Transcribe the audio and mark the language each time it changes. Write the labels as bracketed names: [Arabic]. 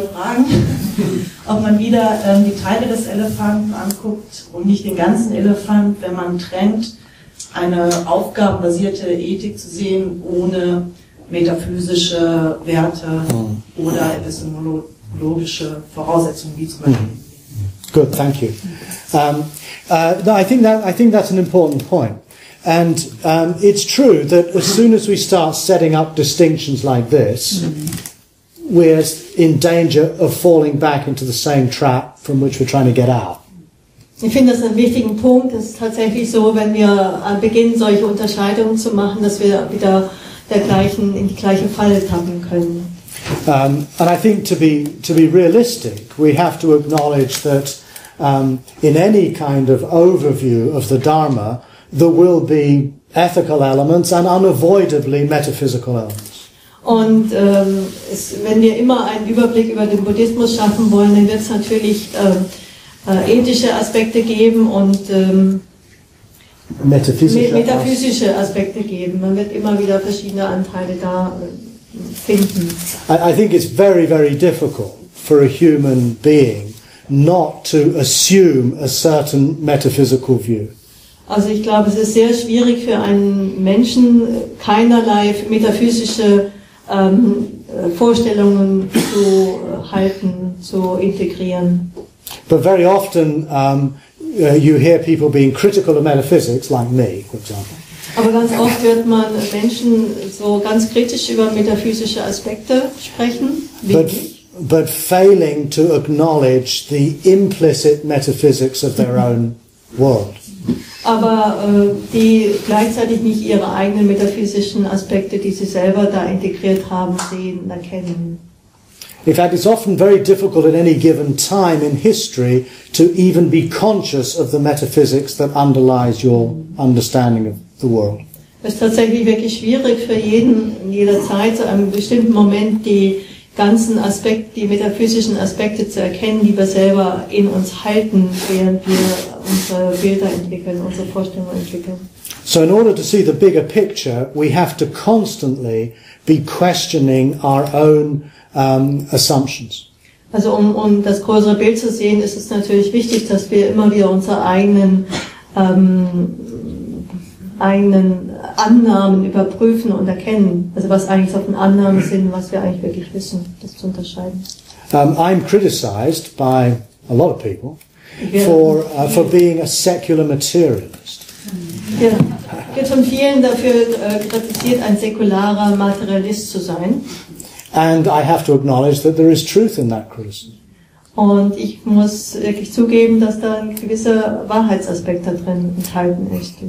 [German] Ich wollte fragen, ob man wieder die Teile des Elefanten anguckt und nicht den ganzen Elefant, wenn man trennt, eine aufgabenbasierte Ethik zu sehen, ohne metaphysische Werte oder epistemologische Voraussetzungen, wie zum Beispiel. [English] Good, thank you. I think that's an important point. And it's true that as soon as we start setting up distinctions like this, we're in danger of falling back into the same trap from which we're trying to get out. [German] Ich finde das einen wichtigen Punkt. Es ist tatsächlich so, wenn wir beginnen, solche Unterscheidungen zu machen, dass wir wieder in die gleiche Falle tappen können. [English] And I think to be realistic, we have to acknowledge that in any kind of overview of the Dharma, there will be ethical elements and unavoidably metaphysical elements. [German] Und wenn wir immer einen Überblick über den Buddhismus schaffen wollen, dann wird es natürlich ethische Aspekte geben und metaphysische Aspekte geben. Man wird immer wieder verschiedene Anteile da finden. [English] I think it's very, very difficult for a human being not to assume a certain metaphysical view. [German] Also ich glaube, es ist sehr schwierig für einen Menschen, keinerlei metaphysische Vorstellungen zu halten, zu integrieren. [English] But very often you hear people being critical of metaphysics, like me, for example. [German] Aber ganz oft hört man Menschen so ganz kritisch über metaphysische Aspekte sprechen, wie [English] but, but failing to acknowledge the implicit metaphysics of their own world. [German] Aber die gleichzeitig nicht ihre eigenen metaphysischen Aspekte, die sie selber da integriert haben, sehen, erkennen. [English] In fact, it's often very difficult at any given time in history to even be conscious of the metaphysics that underlies your understanding of the world. [German] Es ist tatsächlich wirklich schwierig für jeden in jeder Zeit zu einem bestimmten Moment die ganzen Aspekte, die metaphysischen Aspekte zu erkennen, die wir selber in uns halten, während wir unsere Bilder entwickeln, unsere Vorstellungen entwickeln. [English] So in order to see the bigger picture, we have to constantly be questioning our own assumptions. [German] Also um das größere Bild zu sehen, ist es natürlich wichtig, dass wir immer wieder unsere eigenen Annahmen überprüfen und erkennen, also was eigentlich so von Annahmen sind, was wir eigentlich wirklich wissen, das zu unterscheiden. [English] I'm criticized by a lot of people for being a secular materialist. [German] Ja, wird von vielen dafür kritisiert, ein säkularer Materialist zu sein. [English] And I have to acknowledge that there is truth in that criticism. [German] Und ich muss wirklich zugeben, dass da ein gewisser Wahrheitsaspekt da drin enthalten ist.